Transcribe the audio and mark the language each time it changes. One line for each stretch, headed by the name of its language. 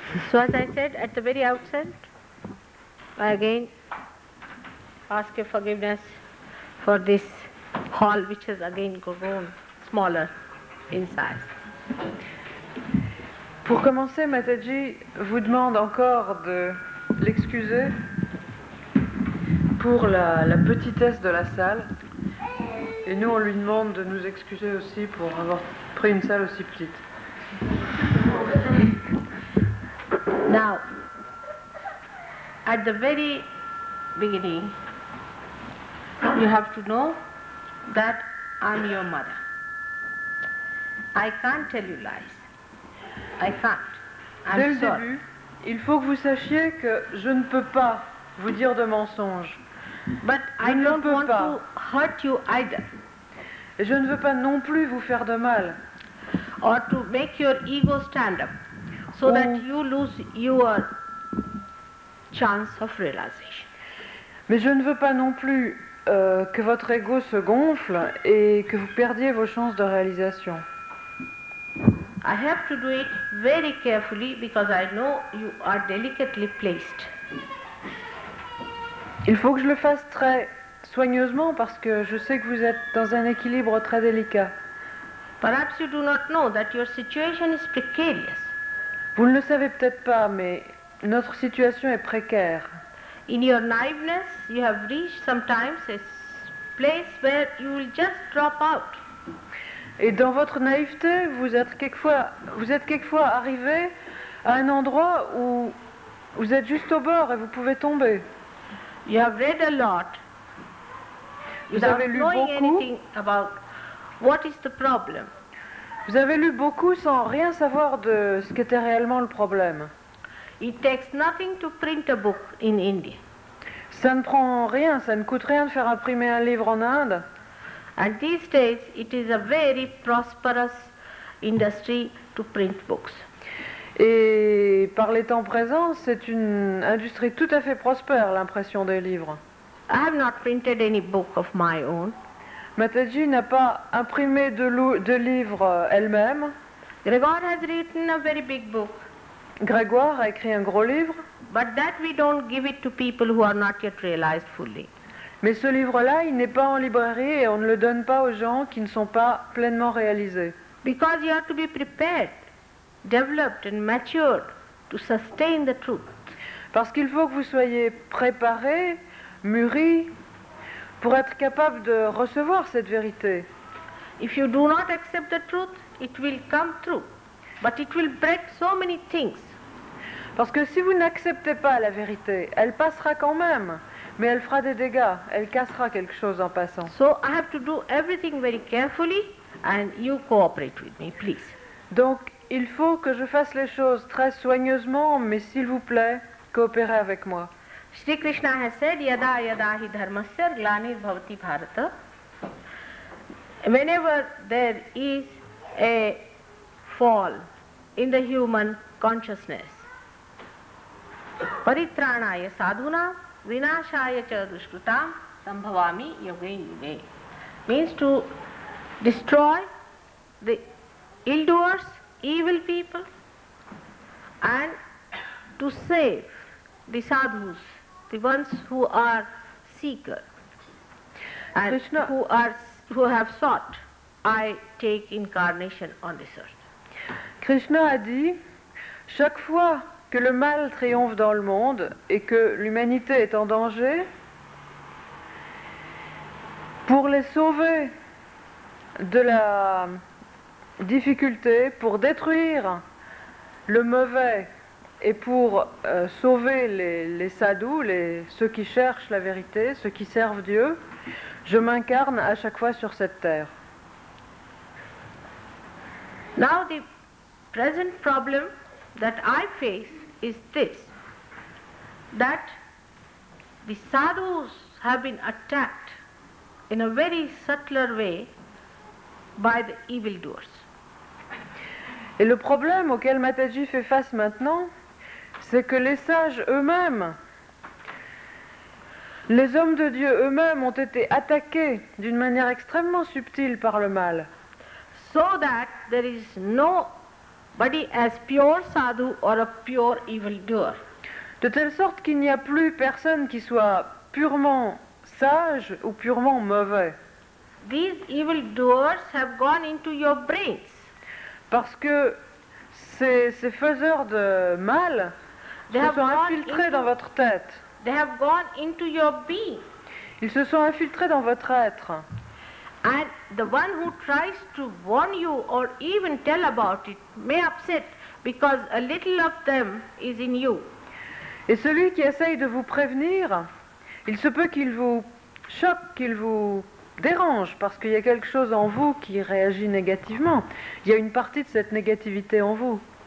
English: So as I said at the very outset, I again ask your forgiveness for this hall which has again grown smaller in size.
French: Pour commencer, Mataji vous demande encore de l'excuser pour la petitesse de la salle. Et nous, on lui demande de nous excuser aussi pour avoir pris une salle aussi petite.
English: Now, at the very beginning, you have to know that I'm your mother. I can't tell you lies. I can't. I'm
French: Dès le
English: sorry.
French: Début, il faut que vous sachiez que je ne peux pas vous dire de mensonges.
English: But
French: je
English: I
French: ne
English: don't
French: peux
English: want
French: pas.
English: To hurt you either.
French: Et je ne veux pas non plus vous faire de mal.
English: Or to make your ego stand up, so that you lose your chance of realization.
French: Mais je ne veux pas non plus que votre ego se gonfle et que vous perdiez vos chances de réalisation.
English: I have to do it very carefully because I know you are delicately placed.
French: Il faut que je le fasse très soigneusement parce que je sais que vous êtes dans un équilibre très délicat.
English: Perhaps you do not know that your situation is precarious.
French: Vous ne le savez peut-être pas, mais notre situation est précaire.
English: In your naiveness, you have reached sometimes a place where you will just drop out.
French: Et dans votre naïveté, vous êtes quelquefois arrivé à un endroit où vous êtes juste au bord et vous pouvez tomber.
English: You have read a lot.
French: Vous avez lu beaucoup.
English: Anything about what is the problem.
French: Vous avez lu beaucoup sans rien savoir de ce qu'était réellement le problème.
English: It takes nothing to print a book in India.
French: Ça ne prend rien, ça ne coûte rien de faire imprimer un livre en Inde.
English: And these days, it is a very prosperous industry to print books.
French: Et par les temps présents, c'est une industrie tout à fait prospère, l'impression des livres.
English: I have not printed any book of my own.
French: Mataji n'a pas imprimé de livre elle-même.
English: Grégoire has written a very big book.
French: Grégoire a écrit un gros livre.
English: But that we don't give it to people who are not yet realized fully.
French: Mais ce livre-là, il n'est pas en librairie et on ne le donne pas aux gens qui ne sont pas pleinement réalisés.
English: Because you have to be prepared, developed and matured to sustain the truth.
French: Parce qu'il faut que vous soyez préparé, mûri pour être capable de recevoir cette vérité.
English: If you do not accept the truth, it will come true, but it will break so many things.
French: Parce que si vous n'acceptez pas la vérité, elle passera quand même. Mais elle fera des dégâts, elle cassera quelque chose en passant.
English: So I have to do everything very carefully and you cooperate with me, please.
French: Donc, il faut que je fasse les choses très soigneusement, mais s'il vous plaît, coopérez avec moi.
English: Shri Krishna has said,
Sanskrit: yada yada hi dharmasya glani bhavati bharata.
English: Whenever there is a fall in the human consciousness,
Sanskrit: paritranaya sadhuna, vinashaya cha dushkrutam sambhavami yoga yuge,
English: means to destroy the ill doers, evil people, and to save the sadhus, the ones who are seeker and Krishna, who have sought, I take incarnation on this earth.
French: Krishna a dit, chaque fois que le mal triomphe dans le monde et que l'humanité est en danger, pour les sauver de la difficulté, pour détruire le mauvais et pour sauver les sadhus, ceux qui cherchent la vérité, ceux qui servent Dieu, je m'incarne à chaque fois sur cette terre.
English: Now the present problem that I face is this, that the sadhus have been attacked in a very subtler way by the evil doers.
French: Et le problème auquel Mataji fait face maintenant, c'est que les sages eux-mêmes, les hommes de Dieu eux-mêmes ont été attaqués d'une manière extrêmement subtile par le mal.
English: So that there is no body as pure sadhu or a pure evil doer.
French: De telle sorte qu'il n'y a plus personne qui soit purement sage ou purement mauvais.
English: These evil doers have gone into your brains.
French: Parce que ces faiseurs de mal se sont infiltrés dans votre tête.
English: They have gone into your being.
French: Ils se sont infiltrés dans votre être.
English: And the one who tries to warn you or even tell about it may upset because a little of them is in you.
French: Et celui qui essaye de vous prévenir, il se peut qu'il vous choque, qu'il vous dérange parce qu'il y a quelque chose en vous qui réagit négativement. Il y a une partie de cette négativité en vous.